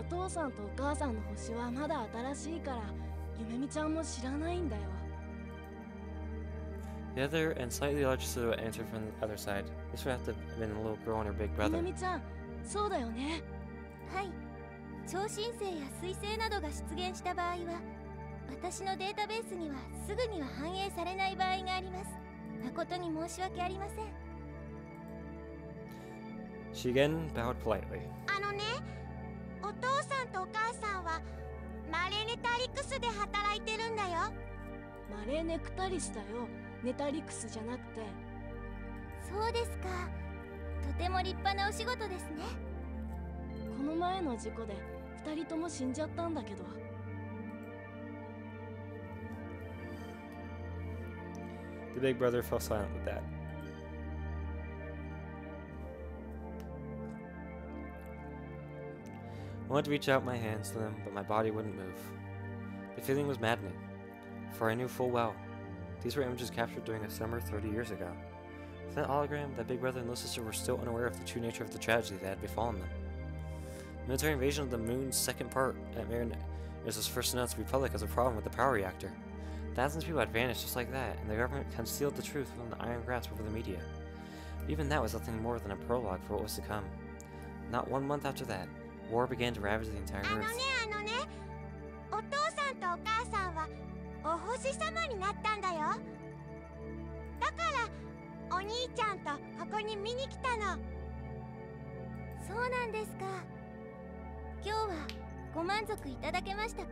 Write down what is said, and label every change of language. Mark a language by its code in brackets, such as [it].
[ja] お父さんとお母さんの星はまだ新しいから、ゆめみちゃんも知らないんだよ。 [en] The other and slightly larger silhouette answered from the other side. This would have to have been a little girl and her big brother. [ja] ゆめみちゃん、そうだよね。はい。超新星や彗星などが出現した場合は、私のデータベースにはすぐには反映されない場合があります。誠に申し訳ありません。 [en] She again bowed politely. [ja] あのね、お父さんとお母さんはマレネタリクスで働いてるんだよ。マレネクタリスだよ、ネタリクスじゃなくて。そうですか、とても立派なお仕事ですね。この前の事故で二人とも死んじゃったんだけど。 [en] The big brother fell silent with that. I wanted to reach out my hands to them, but my body wouldn't move. The feeling was maddening, for I knew full well these were images captured during a summer 30 years ago. With that hologram, that big brother and little sister were still unaware of the true nature of the tragedy that had befallen them. The military invasion of the moon's second part at Marinus was first announced to the Republic as a problem with the power reactor. Thousands of people had vanished just like that, and the government concealed the truth from the iron grasp over the media. Even that was nothing more than a prologue for what was to come. Not 1 month after that,War began to ravage the entire earth. [ja] あのね、お父さんとお母さんはお星様になったんだよ。だからお兄ちゃんとここに見に来たの。そうなんですか。今日はご満足いただけましたか？